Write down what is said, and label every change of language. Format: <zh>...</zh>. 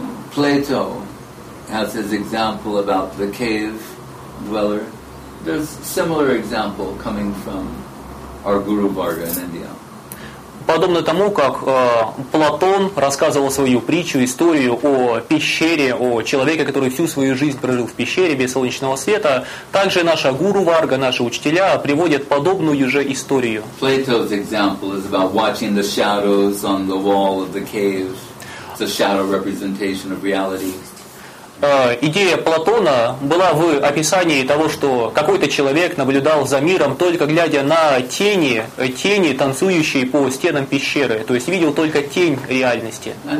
<en>Plato has his example about the cave dweller. There's similar example coming from our Guru Bharga in India.</en> <ru>Подобно тому, как Платон рассказывал свою притчу, историю о пещере, о человеке, который всю свою жизнь прожил в пещере без солнечного света, также наша гуру Варга, наши учителя приводят подобную же историю.</ru> <en>Plato's example is about watching the shadows on the wall of the cave. It's a shadow representation of reality.</en> <ru>Идея Платона была в описании того, что какой-то человек наблюдал за миром, только глядя на тени, танцующие по стенам пещеры, то есть видел только тень реальности.</ru>